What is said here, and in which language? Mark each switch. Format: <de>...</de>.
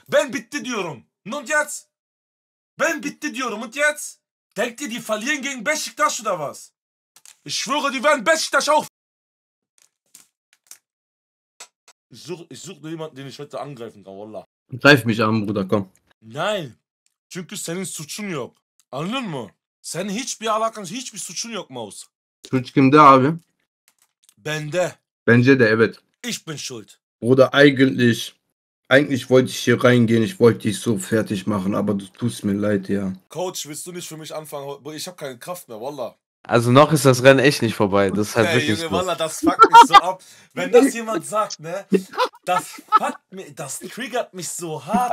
<tr>Ben bitte diorum.</tr> <de>Und jetzt?</de> <tr>Ben bitte diorum. Und jetzt?</tr> <de>Denkt ihr, die verlieren gegen Besiktas oder was? Ich schwöre, die werden Besiktas auch. Ich such nur jemanden, den ich heute angreifen kann, wallah. Greif mich an, Bruder, komm.</de> <tr>Nein, çünkü senin suçun yok. Anladın mı? Senin hiçbir alakan, hiçbir suçun yok, Maus. Suç kimde abi? Bende. Bence de, evet.</tr> <de>Ich bin schuld. Bruder, eigentlich wollte ich hier reingehen, ich wollte dich so fertig machen, aber du tust mir leid, ja. Coach, willst du nicht für mich anfangen? Ich hab keine Kraft mehr, wallah. Also noch ist das Rennen echt nicht vorbei. Das ist halt hey, wirklich Junge, so. Walla, das fuckt mich so ab. Wenn das jemand sagt, ne? Das fuckt mich, das triggert mich so hart.</de>